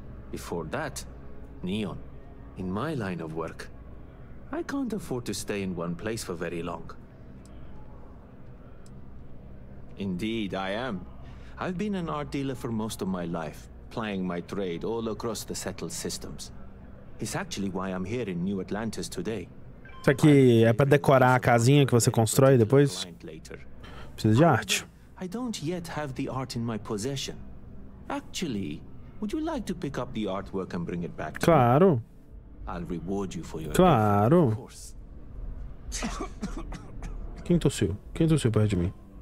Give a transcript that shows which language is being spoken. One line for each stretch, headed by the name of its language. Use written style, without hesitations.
English: Before that, Neon. In my line of work, I can't afford to stay in one place for very long. Indeed, I am. I've been an art dealer for most of my life, plying my trade all across the settled systems. It's actually why I'm here in New Atlantis today.
Portuguese: Isso aqui é para decorar a casinha que você constrói depois? Precisa de arte.
English: I don't yet have the art in my possession. Actually, would you like to pick up the artwork and bring it back to me?
Portuguese: Claro.
English: I'll reward you for your
Portuguese: Claro. Quem tossiu? Quem tossiu perto de mim?